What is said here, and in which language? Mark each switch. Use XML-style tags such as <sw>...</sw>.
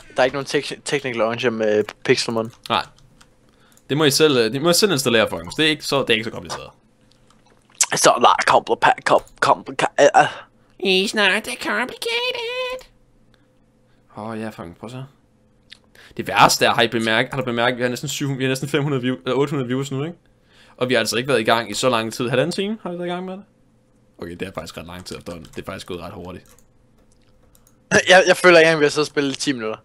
<da>Der er ikke nogen technical launcher med Pixelmon. Nej. Det må I selv, det må I selv installere, folkens. Det er ikke så, det er ikke så kompliceret.</da> <en>It's not that complicated. It's not that complicated.</en> <da>Åh, ja, fucking, prøv så. Det værste er, har du bemærket, vi har næsten 700, vi har næsten 500 view, eller 800 views nu, ikke? Og vi har altså ikke været i gang i så lang tid. Halvanden time har vi været i gang med det? Okay, det er faktisk ret lang tid efter. Det er faktisk gået ret hurtigt. Jeg føler ikke engang, vi har siddet og spillet 10 minutter.</da>